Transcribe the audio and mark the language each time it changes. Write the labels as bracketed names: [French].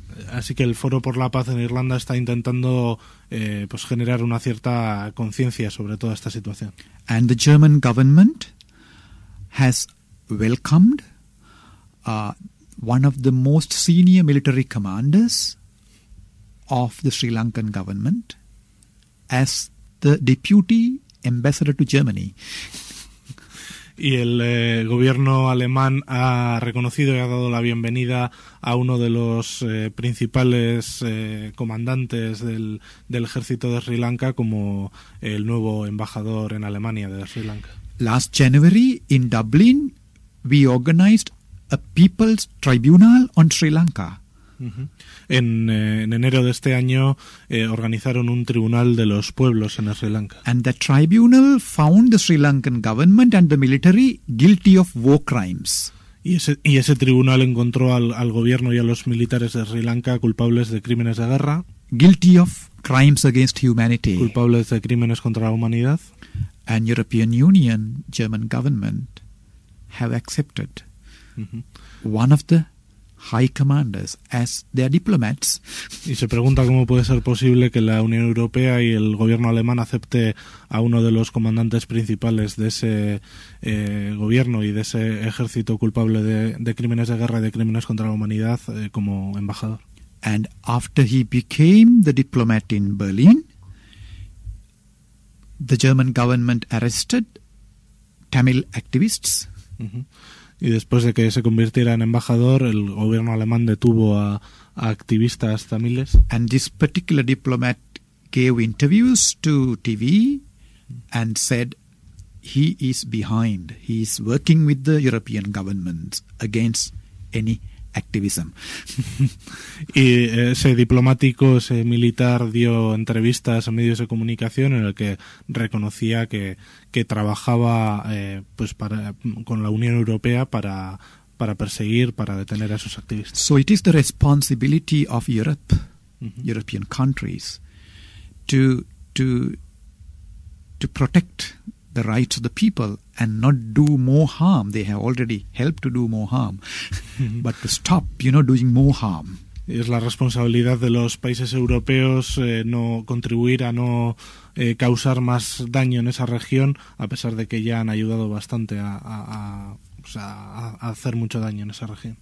[Spanish] Así que el Foro por la Paz en Irlanda está intentando pues generar una cierta conciencia sobre toda esta situación. [English] And the German government has welcomed one of the most senior military commanders of the Sri Lankan government as the deputy ambassador to Germany. [Spanish] Y el gobierno alemán ha reconocido y ha dado la bienvenida a uno de los principales comandantes del ejército de Sri Lanka como el nuevo embajador en Alemania de Sri Lanka. [English] Last January in Dublin we organized a People's Tribunal on Sri Lanka. Uh-huh. [Spanish] En enero de este año organizaron un tribunal de los pueblos en Sri Lanka. [English] And the tribunal found the Sri Lankan government and the military guilty of war crimes. [Spanish] Y ese tribunal encontró al gobierno y a los militares de Sri Lanka culpables de crímenes de guerra. [English] Guilty of crimes against humanity. [Spanish] Culpables de crímenes contra la humanidad. [English] And European Union, German government, have accepted one of the high commanders as their diplomats. [Spanish] Y se pregunta cómo puede ser posible que la Unión Europea y el gobierno alemán acepte a uno de los comandantes principales de ese gobierno y de ese ejército culpable de crímenes de guerra y de crímenes contra la humanidad como embajador. [English] And after he became the diplomat in Berlin, the German government arrested Tamil activists. [Spanish] Y después de que se convirtiera en embajador, el gobierno alemán detuvo a activistas tamiles. [English] And this particular diplomat gave interviews to TV and said he is behind, he is working with the European government against any activism. [Spanish] Y ese diplomático, ese militar, dio entrevistas a medios de comunicación en el que reconocía que trabajaba con la Unión Europea para perseguir, para detener a esos activistas. [English] So it is the responsibility of Europe, European countries, to protect the rights of the people and not do more harm. They have already helped to do more harm, but to stop, you know, doing more harm. [Spanish] Es la responsabilidad de los países europeos no contribuir a no causar más daño en esa región, a pesar de que ya han ayudado bastante a hacer mucho daño en esa región.